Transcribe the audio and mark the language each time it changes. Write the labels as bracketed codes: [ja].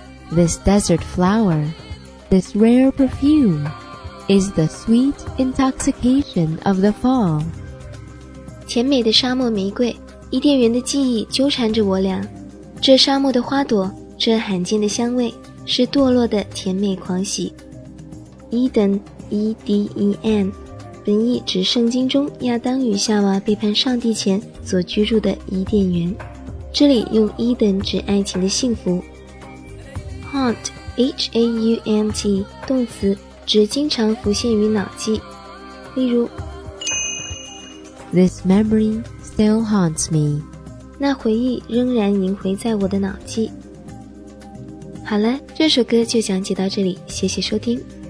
[en] This desert flower, this rare perfume, is the sweet intoxication of the fall. [zh] 甜美的沙漠玫瑰，伊甸园的记忆纠缠着我俩。这沙漠的花朵，这罕见的香味，是堕落的甜美狂喜。 [en] Eden, E-D-E-N. [zh] 本意指圣经中亚当与夏娃背叛上帝前所居住的伊甸园，这里用伊甸指爱情的幸福。 Haunt, H-A-U-N-T, 动词，指经常浮现于脑际，例如 [en] This memory still haunts me. [zh] 那回忆仍然萦回在我的脑际。好了，这首歌就讲解到这里，谢谢收听。